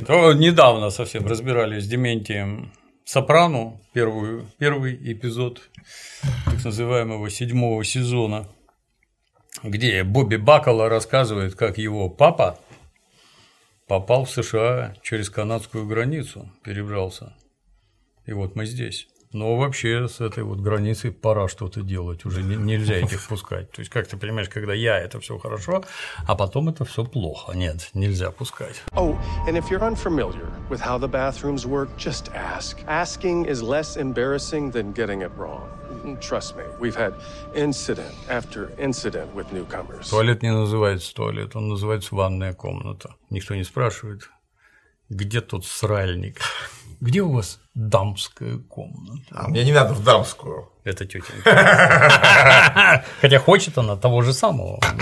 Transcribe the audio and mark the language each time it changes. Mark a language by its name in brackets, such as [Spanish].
[Russian] То недавно совсем разбирались с Дементием Сопрано, первый эпизод так называемого седьмого сезона, где Бобби Баккало рассказывает, как его папа попал в США через канадскую границу, перебрался, и вот мы здесь. Но вообще с этой вот границей пора что-то делать, уже нельзя этих пускать. То есть, как ты понимаешь, когда я – это все хорошо, а потом это все плохо. Нет, нельзя пускать. [English] Oh, and if you're unfamiliar with how the bathrooms work, just ask. Asking is less embarrassing than getting it wrong. Trust me, we've had incident after incident with newcomers. [Russian] Туалет не называется туалет, он называется ванная комната. Никто не спрашивает, где тут сральник? Где у вас дамская комната? А мне не надо в дамскую. Это тетенька. Хотя хочет она того же самого.